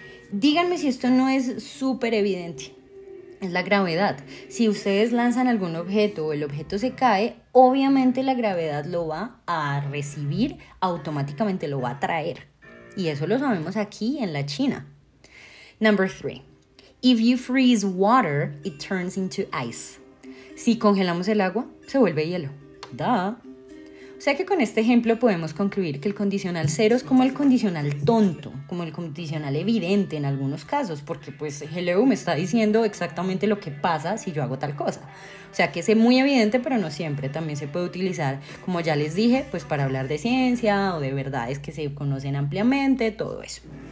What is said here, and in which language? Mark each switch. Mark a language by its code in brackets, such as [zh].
[es] Díganme si esto no es súper evidente. Es la gravedad. Si ustedes lanzan algún objeto o el objeto se cae, obviamente la gravedad lo va a recibir, automáticamente lo va a atraer. Y eso lo sabemos aquí en la China. [en] Number three, if you freeze water, it turns into ice. [es] Si congelamos el agua, se vuelve hielo. ¡Duh! O sea que con este ejemplo podemos concluir que el condicional cero es como el condicional tonto, como el condicional evidente en algunos casos, porque pues hello me está diciendo exactamente lo que pasa si yo hago tal cosa. O sea que es muy evidente, pero no siempre. También se puede utilizar, como ya les dije, pues para hablar de ciencia o de verdades que se conocen ampliamente, todo eso.